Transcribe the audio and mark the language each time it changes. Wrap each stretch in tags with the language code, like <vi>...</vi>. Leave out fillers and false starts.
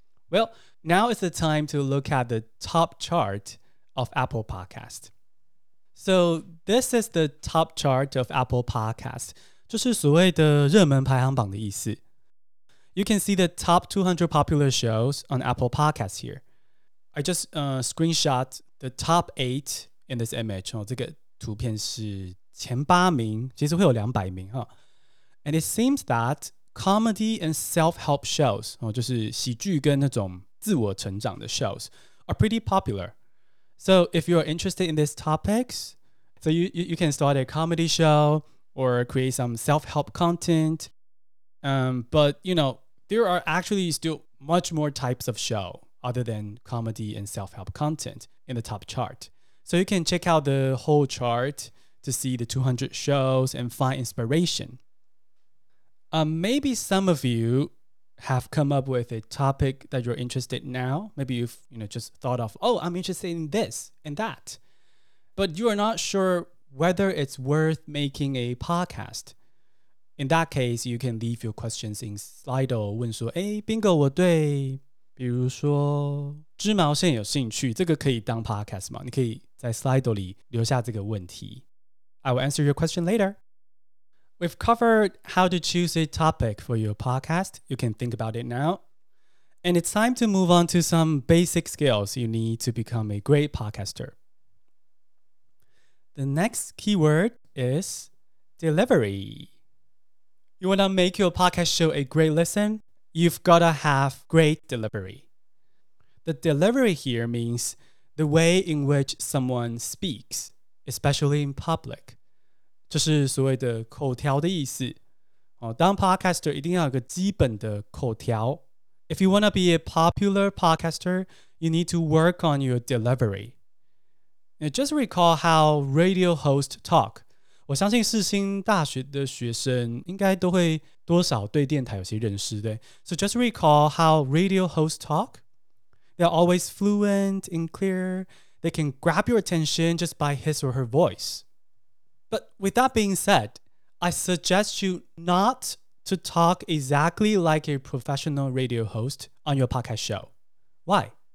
<en>Well, now is the time to look at the top chart of Apple Podcast. So this is the top chart of Apple Podcast,</en> <zh>就是所谓的热门排行榜的意思。</zh> <en>You can see the top 200 popular shows on Apple Podcast here. I just screenshot the top 8 in this image.</en> <zh>这个图片是前八名，其实会有两百名。</zh> <en>And it seems that comedy and self-help shows,</en> <zh>就是喜剧跟那种自我成长的</zh> <en>shows, are pretty popular. So if you're interested in these topics, so you can start a comedy show or create some self-help content. But, you know, there are actually still much more types of show other than comedy and self-help content in the top chart. So you can check out the whole chart to see the 200 shows and find inspiration. Maybe some of you have come up with a topic that you're interested in now. Maybe you've, you know, just thought of, oh, I'm interested in this and that. But you are not sure whether it's worth making a podcast. In that case, you can leave your questions in Slido,</en> <zh>问说，诶，Bingo，我对，比如说，织毛线有兴趣，这个可以当 podcast 吗？你可以在 Slido 里留下这个问题。</zh> <en>I will answer your question later. We've covered how to choose a topic for your podcast. You can think about it now. And it's time to move on to some basic skills you need to become a great podcaster. The next keyword is delivery. You want to make your podcast show a great listen? You've got to have great delivery. The delivery here means the way in which someone speaks, especially in public.</en> <zh>这是所谓的口条的意思、哦、当 podcaster 一定要有个基本的口条。</zh> <en>If you want to be a popular podcaster, you need to work on your delivery. Now, just recall how radio hosts talk.</en> <zh>我相信世新大学的学生应该都会多少对电台有些认识的。</zh> <en>So just recall how radio hosts talk. They're always fluent and clear. They can grab your attention just by his or her voice. But with that being said, I suggest you not to talk exactly like a professional radio host on your podcast show. Why?</en>